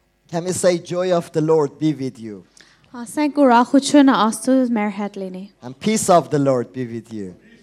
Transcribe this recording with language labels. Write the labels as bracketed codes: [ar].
[en] Can we say joy of the Lord be with you? [hy] Ասենք ուրախությունը Աստծո մեր հետ լինի. [en] And peace of the Lord be with you.